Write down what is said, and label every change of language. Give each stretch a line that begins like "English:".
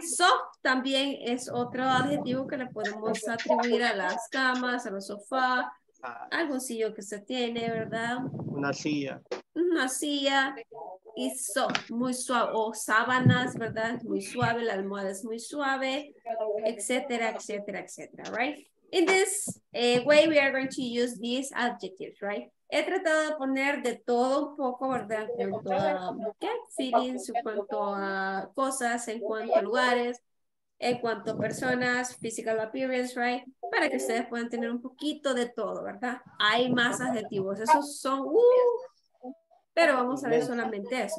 Spanish: Soft también es otro adjetivo que le podemos atribuir a las camas, a los sofás, algún sillón que se tiene, ¿verdad? Una silla. Una silla y soft, muy suave. O sábanas, ¿verdad? Muy suave, la almohada es muy suave, etcétera, etcétera, etcétera, right?
English: In this way, we are going to use these adjectives, right?
Spanish: He tratado de poner de todo un poco, ¿verdad? En cuanto a feelings, en cuanto a cosas, en cuanto a lugares, en cuanto a personas, physical appearance, right? Para que ustedes puedan tener un poquito de todo, ¿verdad? Hay más adjetivos. Esos son, pero vamos a ver solamente eso.